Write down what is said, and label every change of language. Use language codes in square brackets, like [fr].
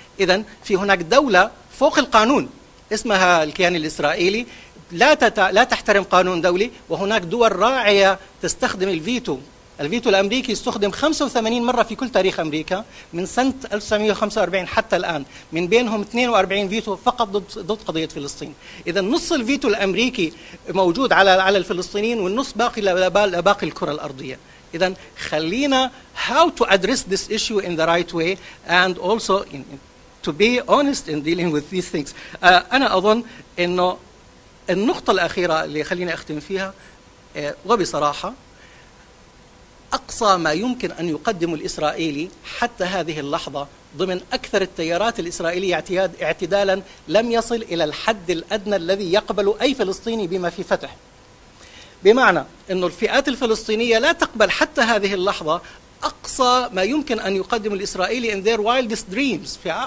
[ar] إذن في هناك دولة فوق القانون اسمها الكيان الإسرائيلي لا تحترم قانون دولي، وهناك دول راعية تستخدم الفيتو. الفيتو الأمريكي استخدم 85 مرة في كل تاريخ أمريكا من سنة 1945 حتى الآن، من بينهم 42 فيتو فقط ضد قضية فلسطين. إذا نص الفيتو الأمريكي موجود على الفلسطينيين والنص باقي لباقي الكرة الأرضية. إذا خلينا [en] how to address this issue in the right way and also to be honest in dealing with these things. [ar] أنا أظن إنه النقطة الأخيرة اللي خليني أختم فيها وبصراحة أقصى ما يمكن أن يقدم الإسرائيلي حتى هذه اللحظة ضمن أكثر التيارات الإسرائيلية اعتدالا لم يصل إلى الحد الأدنى الذي يقبل أي فلسطيني بما في فتح، بمعنى أن الفئات الفلسطينية لا تقبل حتى هذه اللحظة أقصى ما يمكن أن يقدم الإسرائيلي [en] in their wildest dreams.